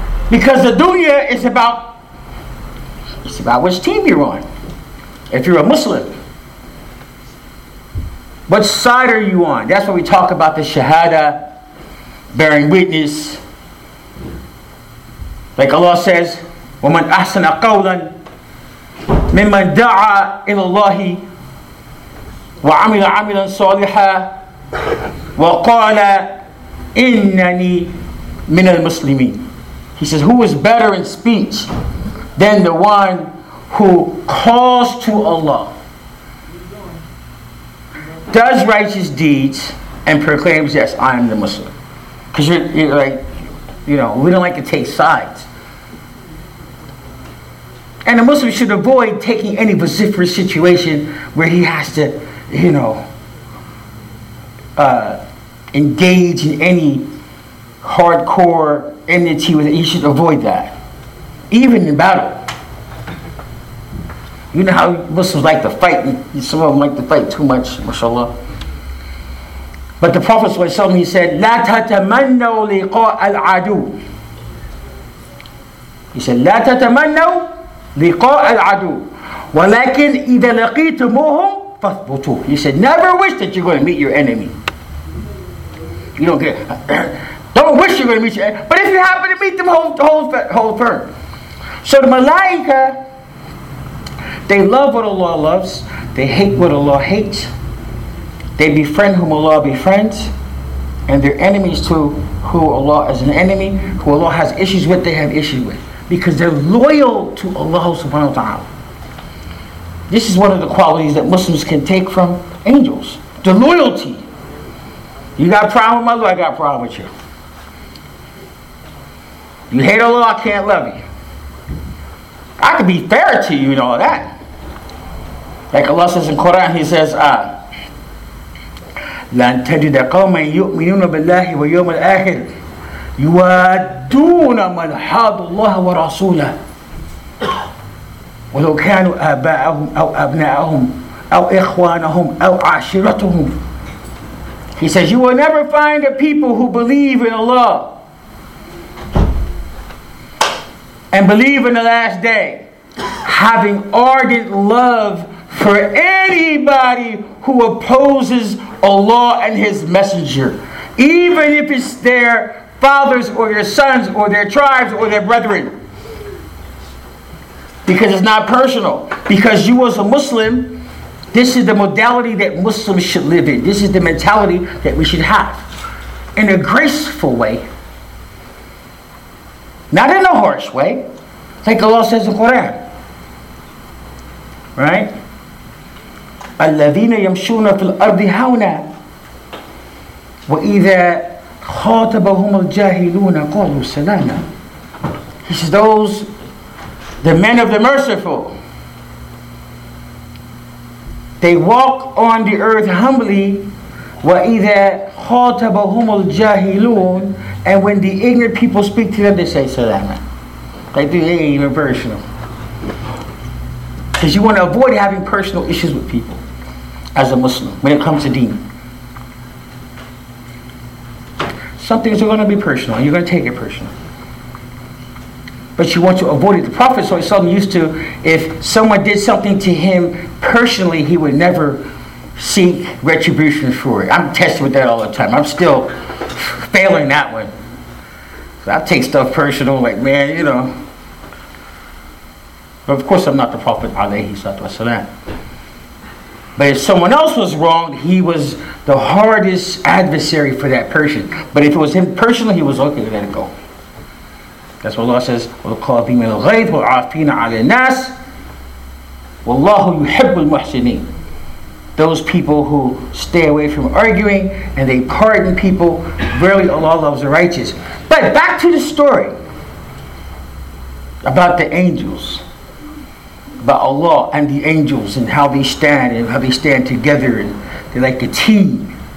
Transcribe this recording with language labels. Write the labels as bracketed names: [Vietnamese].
[English] Because the dunya is about, it's about which team you're on. If you're a Muslim, what side are you on? That's what we talk about, the shahada, bearing witness. Like Allah says, [Arabic] وَمَنْ أَحْسَنَ قَوْلًا مِمَّنْ دَعَى إِلَى اللَّهِ وَعَمِلَ عَمِلًا صَالِحًا وَقَالَ إِنَّنِي مِنَ الْمُسْلِمِينَ. [English] He says, who is better in speech than the one who calls to Allah, does righteous deeds, and proclaims, yes, I am the Muslim? Because you're like, you know, we don't like to take sides. And a Muslim should avoid taking any vociferous situation where he has to, you know, engage in any hardcore enmity with it. You should avoid that. Even in battle. You know how Muslims like to fight. Some of them like to fight too much, mashallah. But the Prophet ﷺ, he said, [Arabic] لَا تَتَمَنَّوْا لِقَاءَ الْعَدُوِ. [English] He said, [Arabic] لَا تَتَمَنَّوْا لِقَاءَ الْعَدُوِ وَلَكِنْ إِذَا لَقِيتُمُوهُمْ فَثْبُتُوا. [English] He said, never wish that you're going to meet your enemy. You don't get don't wish you're going to meet your enemy. But if you happen to meet them, hold firm. So the Malaika, they love what Allah loves. They hate what Allah hates. They befriend whom Allah befriends. And their enemies to who Allah is an enemy, who Allah has issues with, they have issues with. Because they're loyal to Allah subhanahu wa ta'ala. This is one of the qualities that Muslims can take from angels. The loyalty. You got a problem with my Lord, I got a problem with you. You hate Allah, I can't love you. I can be fair to you and all that. Like Allah says in Quran, He says, [Arabic] لَن تَجِدَ قَوْمًا يُؤْمِنُونَ بِاللَّهِ وَيَوْمَ الْآخِرِ يُوَادُّونَ مَنْ حَادُ اللَّهَ وَرَسُولَهُ وَلَوْ كَانُوا آبَاءَهُمْ أَوْ أَبْنَاءَهُمْ أَوْ إِخْوَانَهُمْ أَوْ عَشِرَتُهُمْ. [English] He says, you will never find a people who believe in Allah and believe in the last day having ardent love for anybody who opposes Allah and His Messenger, even if it's their fathers or their sons or their tribes or their brethren. Because it's not personal. Because you as a Muslim, this is the modality that Muslims should live in. This is the mentality that we should have. In a graceful way. Not in a harsh way. Like Allah says in Quran. Right? [Arabic] الذين يمشون في الأرض هونا وإذا خاطبهم الجاهلون قالوا سلاما. [English] He says those, the men of the merciful, they walk on the earth humbly, [Arabic] وَإِذَا خَاطَبَهُمُ الْجَاهِلُونَ, [English] and when the ignorant people speak to them, they say salama. Like they ain't even personal. Because you want to avoid having personal issues with people as a Muslim when it comes to deen. Some things are going to be personal, and you're going to take it personal. But you want to avoid it. The Prophet ﷺ used to, if someone did something to him personally, he would never seek retribution for it. I'm tested with that all the time. I'm still failing that one. So I take stuff personal, like, man, you know. But of course, I'm not the Prophet ﷺ. But if someone else was wrong, he was the hardest adversary for that person. But if it was him personally, he was okay to let it go. That's what Allah says, [Arabic] وَلَقَالَ بِمَا الْغَيْثُ وَعَافِينَ عَلَى النَّاسِ وَاللَّهُ يُحِبُّ الْمُحْسِنِينَ. [English] Those people who stay away from arguing and they pardon people, really Allah loves the righteous. But back to the story about the angels, about Allah and the angels and how they stand and how they stand together, and they're like a team.